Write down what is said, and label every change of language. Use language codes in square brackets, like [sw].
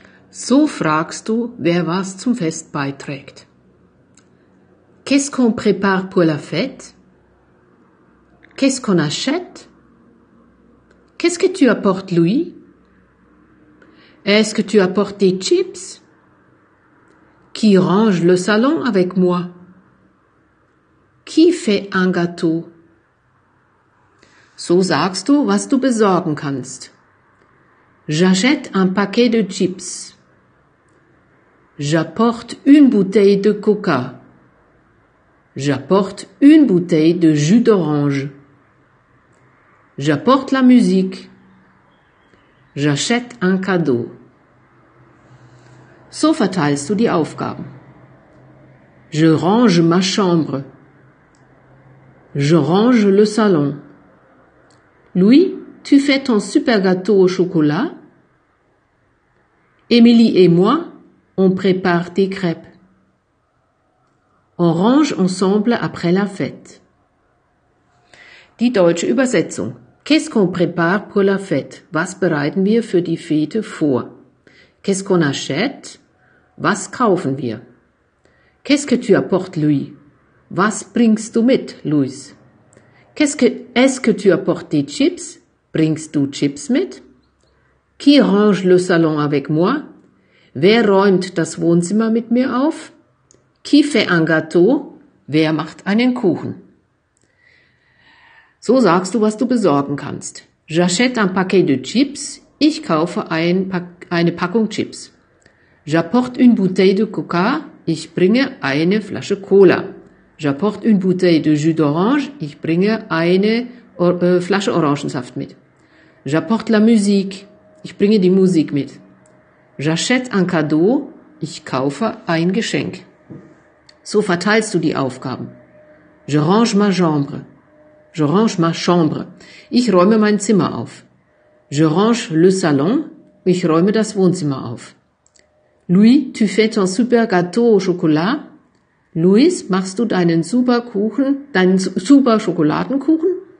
[de] So fragst du, wer was zum Fest beiträgt. [fr] Qu'est-ce qu'on prépare pour la fête? Qu'est-ce qu'on achète? Qu'est-ce que tu apportes, Louis? Est-ce que tu apportes des chips? Qui range le salon avec moi? Qui fait un gâteau? [de] So sagst du, was du besorgen kannst. [fr] J'achète un paquet de chips. J'apporte une bouteille de coca. J'apporte une bouteille de jus d'orange. J'apporte la musique. J'achète un cadeau. [de] So verteilst du die Aufgaben. [fr] Je range ma chambre. Je range le salon. Louis, tu fais ton super gâteau au chocolat. Émilie et moi, on prépare des crêpes. On range ensemble après la fête. [de] Die deutsche Übersetzung. [fr] Qu'est-ce qu'on prépare pour la fête? [de] Was bereiten wir für die Fete vor? [fr] Qu'est-ce qu'on achète? [de] Was kaufen wir? [fr] Qu'est-ce que tu apportes, Louis? [de] Was bringst du mit, Louis? [fr] Est-ce que tu apportes des chips? [de] Bringst du Chips mit? [fr] Qui range le salon avec moi? [de] Wer räumt das Wohnzimmer mit mir auf? [fr] Qui fait un gâteau? [de] Wer macht einen Kuchen? So sagst du, was du besorgen kannst. [fr] J'achète un paquet de chips. [de] Ich kaufe eine Packung Chips. [fr] J'apporte une bouteille de Coca. [de] Ich bringe eine Flasche Cola. [fr] J'apporte une bouteille de jus d'orange. [de] Ich bringe eine Flasche Orangensaft mit. [fr] J'apporte la musique. [de] Ich bringe die Musik mit. [fr] J'achète un cadeau. [de] Ich kaufe ein Geschenk. So verteilst du die Aufgaben. [fr] Je range ma chambre. Je range ma chambre. [de] Ich räume mein Zimmer auf. [fr] Je range le salon. [de] Ich räume das Wohnzimmer auf. [fr] Louis, tu fais ton super gâteau au chocolat. [de] Louis, machst du deinen super Kuchen, deinen super Schokoladenkuchen?